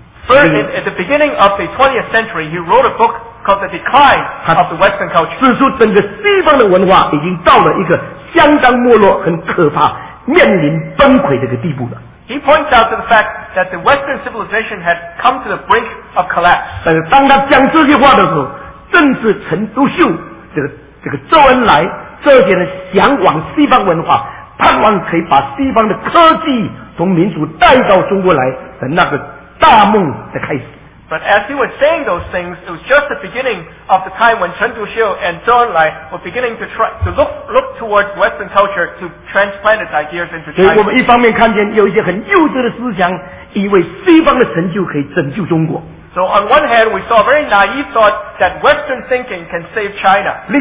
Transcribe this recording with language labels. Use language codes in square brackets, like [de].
[en] At the beginning of the 20th century, he wrote a book called The Decline of the Western Culture. [zh] 指出整个西方的文化已经到了一个相当没落、很可怕、面临崩溃的一个地步了。 [en] He points out to the fact that the Western civilization had come to the brink of collapse. [zh] 但是当他讲这句话的时候，正是陈独秀这个周恩来这些人向往西方文化，盼望可以把西方的科技从民主带到中国来的那个大梦的开始。 [en] But as he was saying those things, it was just the beginning of the time when Chen Duxiu and Zhou Enlai were beginning to look towards Western culture to transplant its ideas into China. [zh] 所以我们一方面看见有一些很幼稚的思想，以为西方的成就可以拯救中国。 [en] So on one hand, we saw a very naive thought that Western thinking can save China.